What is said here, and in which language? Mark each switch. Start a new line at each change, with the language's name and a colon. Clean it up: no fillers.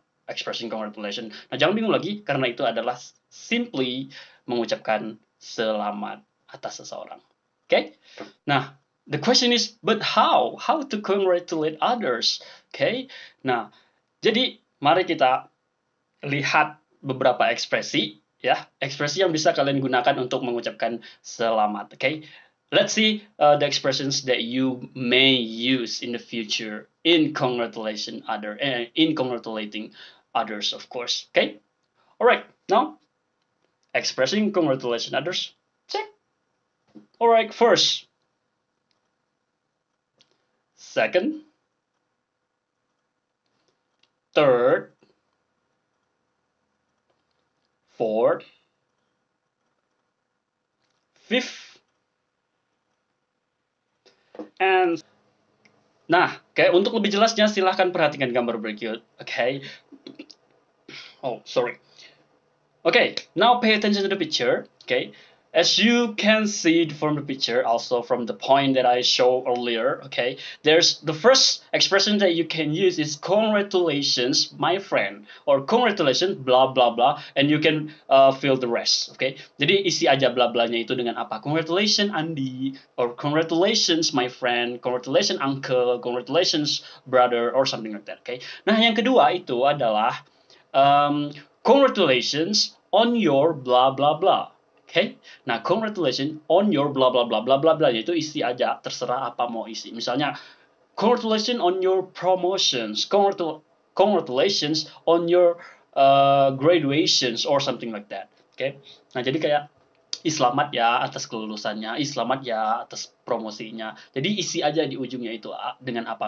English: Expressing congratulation.
Indonesian: Nah, jangan bingung lagi, karena itu adalah
English: simply
Indonesian: mengucapkan selamat atas seseorang.
English: Okay? Nah, the question is, but how? How to congratulate others? Okay?
Indonesian: Nah, jadi mari kita lihat beberapa ekspresi, ya. Ekspresi yang bisa kalian gunakan untuk mengucapkan selamat.
English: Okay? Let's see the expressions that you may use in the future in congratulation other, in congratulating others, of course. Okay. All right. Now, expressing congratulations others. Check. All right. First. Second. Third. Fourth. Fifth.
Indonesian: And. Nah, okay. Untuk lebih jelasnya, silahkan perhatikan gambar berikut. Okay. Oh, sorry.
English: Okay, now pay attention to the picture. Okay, as you can see from the picture, also from the point that I showed earlier. Okay, there's the first expression that you can use is congratulations, my friend, or congratulations, blah blah blah, and you can fill the rest. Okay,
Indonesian: jadi isi aja blah blahnya itu dengan apa?
English: Congratulations, Andy, or congratulations, my friend, congratulations, uncle, congratulations, brother, or something like that. Okay.
Indonesian: Nah, yang kedua itu adalah
English: congratulations on your blah blah blah. Okay? Nah, congratulations on your blah blah blah blah blah blah,
Indonesian: itu isi aja, terserah apa mau isi. Misalnya,
English: congratulations on your promotions, congratulations on your graduations or something like that. Okay?
Indonesian: Nah, jadi kayak selamat ya atas kelulusannya, selamat ya atas promosinya. Jadi isi aja di ujungnya itu dengan apa.